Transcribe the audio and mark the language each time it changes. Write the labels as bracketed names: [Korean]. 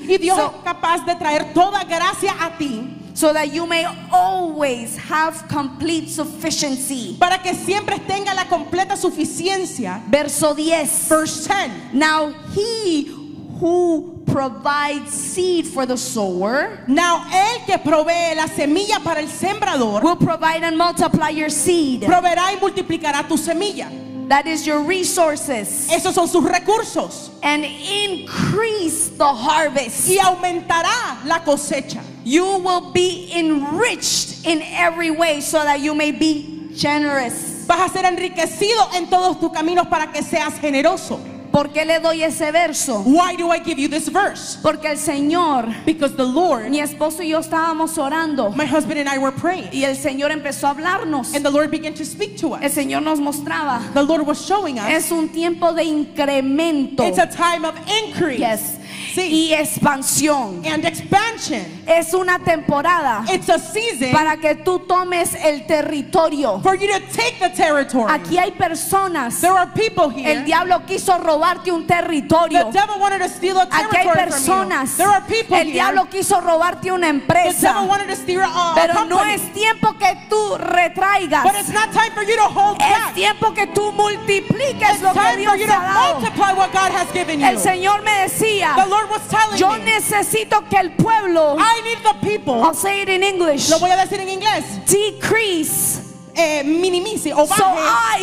[Spanish] Y Dios so, es capaz de traer toda gracia a ti. [English] So that you may always have complete sufficiency. [Spanish] Para que siempre tenga la completa suficiencia. Verso 10. [English] Verse 10. Now he who provides seed for the sower. [Spanish] Now el que provee la semilla para el sembrador. [English] Will provide and multiply your seed. [Spanish] Proveerá y multiplicará tu semilla. [English] That is your resources. [Spanish] Esos son sus recursos. [English] And increase the harvest. [Spanish] Y aumentará la cosecha. [English] You will be enriched in every way so that you may be generous. [Spanish] Vas a ser enriquecido en todos tus caminos para que seas generoso. ¿Por qué le doy ese verso? [English] Why do I give you this verse? [Spanish] Porque el Señor, [English] because the Lord, [Spanish] mi esposo y yo estábamos orando, [English] my husband and I were praying, [Spanish] y el Señor empezó a hablarnos, [English] and the Lord began to speak to us. [Spanish] El Señor nos mostraba, [English] the Lord was showing us, [Spanish] es un tiempo de incremento. [English] It's a time of increase. [Spanish] Yes. y expansión. [English] And expansion. [Spanish] Es una temporada. [English] It's a season. [Spanish] Para que tú tomes el territorio. [English] For you to take the territory. [Spanish] Aquí hay personas. [English] There are people here. [Spanish] El diablo quiso robarte un territorio. [English] The devil wanted to steal a territory from you. [Spanish] Aquí hay personas. [English] There are people here. [Spanish] El diablo quiso robarte una empresa. [English] The devil wanted to steal a company. [Spanish] Pero no es tiempo que tú retraigas. [English] But it's not time for you to hold back. [Spanish] Es tiempo que tú multipliques lo que Dios te ha dado. [English] Multiply what God has given you. [Spanish] El Señor me decía, [English] the Lord was telling [Spanish] yo [English] me, [Spanish] necesito que el pueblo, [English] I need the people, I'll say it in English, [Spanish] lo voy a decir en inglés, [English] decrease, [Spanish] minimice, o [English] so [Spanish] baje,